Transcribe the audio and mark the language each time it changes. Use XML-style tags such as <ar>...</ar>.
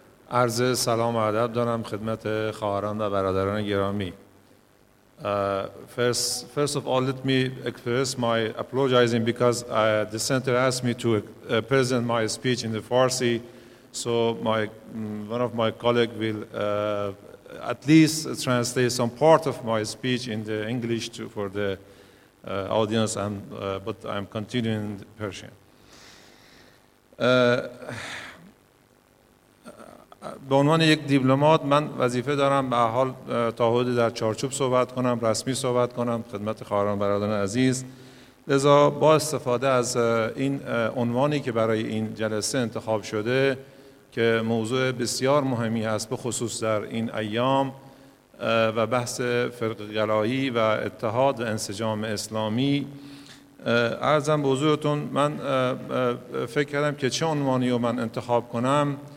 <fa>عرض سلام و ادب دارم خدمت خواهران و برادران گرامی.</fa> <en>First of all, let me express my apologizing because the center asked me to present my speech in the Farsi, so one of my colleagues will at least translate some part of my speech in the English for the audience, and but I'm continuing in Persian.</en> <fa>به عنوان یک دیپلمات من وظیفه دارم به حال تا حدی در چارچوب صحبت کنم، رسمی صحبت کنم خدمت خواهران برادران عزیز. لذا با استفاده از این عنوانی که برای این جلسه انتخاب شده که موضوع بسیار مهمی است به خصوص در این ایام و بحث فرقه‌گرایی و اتحاد و انسجام اسلامی، عرضم به حضورتون من فکر کردم که چه عنوانی رو من انتخاب کنم.</fa>